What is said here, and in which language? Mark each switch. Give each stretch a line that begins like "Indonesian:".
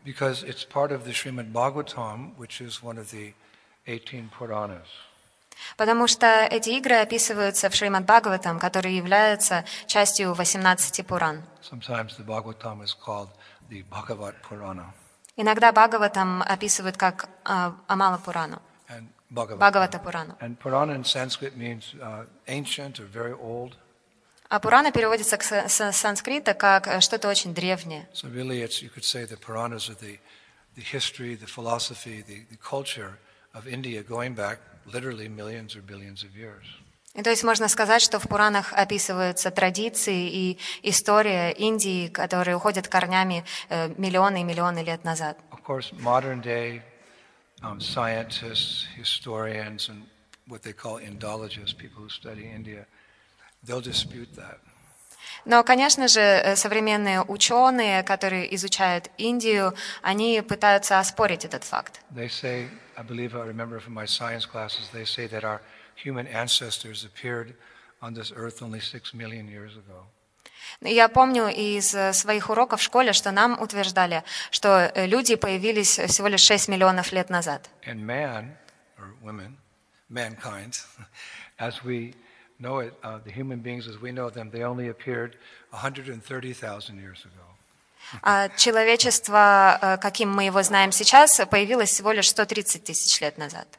English: Because it's part of the Srimad Bhagavatam, which is one of the 18 Puranas.
Russian: Потому что эти игры описываются в Шримад Бхагаватам, который является частью 18 Пуран.
English: Sometimes the Bhagavatam is called the Bhagavat Purana.
Russian: Иногда Бхагаватам описывают как Амала Пурану.
English: And Bhagavata. Bhagavata Purana. And Purana in Sanskrit means ancient or very old.
Russian: А Пурана переводится с санскрита как что-то очень древнее.
English: So really, it's, you could say the Puranas are the history, the philosophy, the culture of India going back literally millions or billions of years.
Russian: И то есть можно сказать, что в Пуранах описываются традиции и история Индии, которые уходят корнями миллионы и миллионы лет назад.
English: Of course, modern day scientists, historians, and what they call Indologists, people who study India, they'll dispute that.
Russian: Но, конечно же, современные ученые, которые изучают Индию, они пытаются оспорить этот факт.
English: They say, I believe I remember from my science classes, they say that our human ancestors appeared on this earth only 6 million years ago.
Russian: Я помню из своих уроков в школе, что нам утверждали, что люди появились всего лишь 6 миллионов лет назад.
English: And man, or women, mankind, as we know it, the human beings as we know them, they only appeared 130,000 years ago.
Russian: А человечество, каким мы его знаем сейчас, появилось всего лишь 130 тысяч лет назад.